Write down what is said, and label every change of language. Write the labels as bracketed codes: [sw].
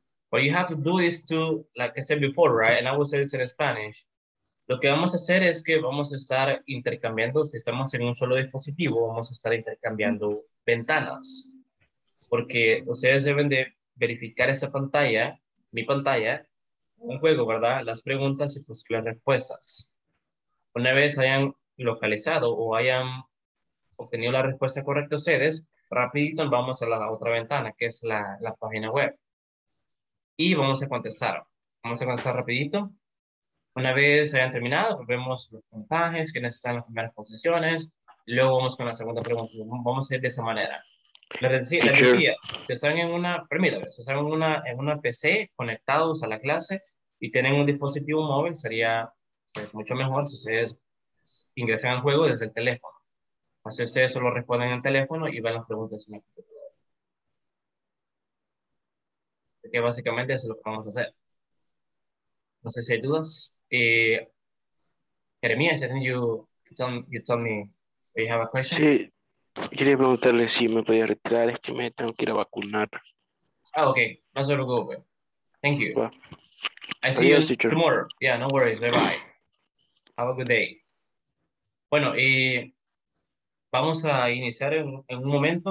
[en] What you have to do is to, like I said before, right? And I will say this in Spanish. [es] Lo que vamos a hacer es que vamos a estar intercambiando, si estamos en un solo dispositivo, vamos a estar intercambiando ventanas. Porque ustedes deben de verificar esa pantalla, mi pantalla, un juego, ¿verdad? Las preguntas y pues las respuestas. Una vez hayan localizado o hayan obtenido la respuesta correcta ustedes, rapidito vamos a la otra ventana, que es la página web. Y vamos a contestar. Vamos a contestar rapidito. Una vez hayan terminado, vemos los puntajes, quiénes están en las primeras posiciones. Luego vamos con la segunda pregunta. Vamos a ir de esa manera. Les decía, si están en una, permítame, si están en una PC conectados a la clase y tienen un dispositivo móvil, sería pues, mucho mejor si ustedes ingresan al juego desde el teléfono. Así ustedes solo responden en el teléfono y ven las preguntas en el computador. Que básicamente eso es lo que vamos a hacer. No sé si hay dudas. [en] Jeremías, you tell me if you have a question. [es] Sí, quería preguntarle si me podía retirar, es que me tengo que ir a vacunar. [en] Ah, okay, [es] no se preocupe. [en] Thank you. Well, I see you tomorrow. Yeah, no worries. Bye bye. Have a good day. [es] Bueno, y vamos a iniciar en un momento.